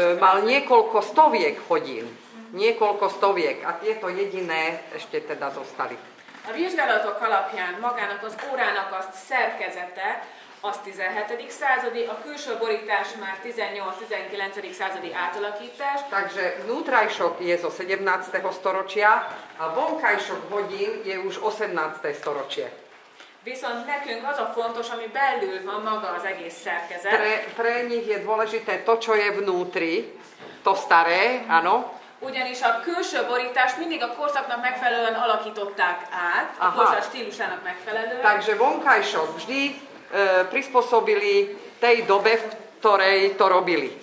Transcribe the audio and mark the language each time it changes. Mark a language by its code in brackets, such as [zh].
[sk] Ferenc. Mal niekoľko stoviek hodín. Niekoľko stoviek. A tieto jediné ešte teda zostali. [hu] A vizsgálatok alapján magának az órának azt szerkezete, az 17. századi, a külső borítás már 18-19. Századi átalakítás. [sk] Takže vnútrajšok je zo 17. storočia, a vonkajšok hodín je už 18. storočie. [hu] Viszont nekünk az a fontos, ami belül van maga az egész szerkezet. [sk] Pre nich je dôležité to, čo je vnútri, to staré, áno. [hu] Ugyanis a külső borítást mindig a korszaknak megfelelően alakították át, a korszak stílusának megfelelően. [sk] Takže vonkajšok vždy prispôsobili tej dobe, v ktorej to robili.